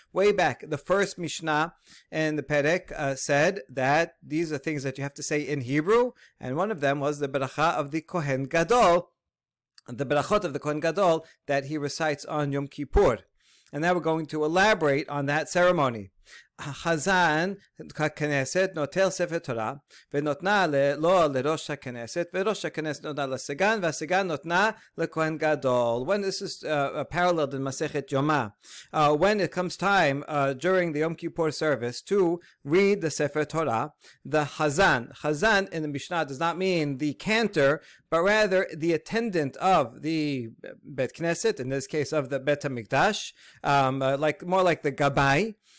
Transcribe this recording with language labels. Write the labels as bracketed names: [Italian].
[English] Way back, the first Mishnah in the Perek said that these are things that you have to say in Hebrew, and one of them was the Beracha of the Kohen Gadol, the Berachot of the Kohen Gadol that he recites on Yom Kippur. And now we're going to elaborate on that ceremony. [Hebrew] החזן, הכנסת, נוטל ספר תורה, ונותנה לא לראש הכנסת, וראש הכנסת נותנה לסגן, והסגן נותנה לכהן גדול. [English] When this is paralleled in מסכת יומה, when it comes time during the Yom Kippur service to read the ספר תורה, the חזן, חזן in the Mishnah does not mean the cantor, but rather the attendant of the Bet Knesset, in this case of the Bet HaMikdash, like more like the Gabai,